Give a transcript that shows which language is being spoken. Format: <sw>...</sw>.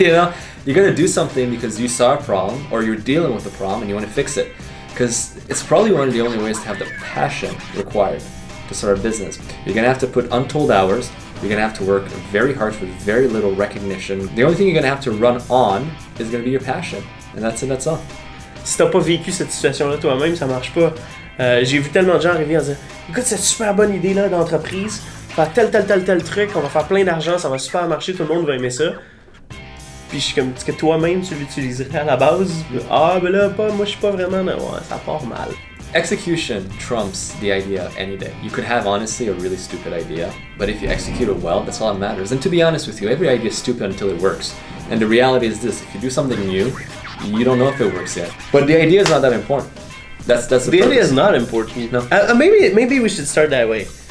<en>You know, you gotta do something because you saw a problem or you're dealing with a problem and you want to fix it. Because it's probably one of the only ways to have the passion required to start a business. You're gonna have to put untold hours, you're gonna have to work very hard with very little recognition. The only thing you're gonna have to run on is gonna be your passion. And that's it, that's all.</en> <fr>Si t'as pas vécu cette situation-là toi-même, ça marche pas. J'ai vu tellement de gens arriver en disant écoute, cette super bonne idée-là d'entreprise, faire tel truc, on va faire plein d'argent, ça va super marcher, tout le monde va aimer ça. Puis je suis comme, est-ce que toi-même tu l'utiliserais à la base? Ah, ben là, pas, moi je suis pas vraiment, mais ouais, ça part mal.</fr> <en>Execution trumps the idea any day. You could have honestly a really stupid idea, but if you execute it well, that's all that matters. And to be honest with you, every idea is stupid until it works. And the reality is this, if you do something new, you don't know if it works yet. But the idea is not that important. That's the idea is not important, you know? Maybe we should start that way.</en>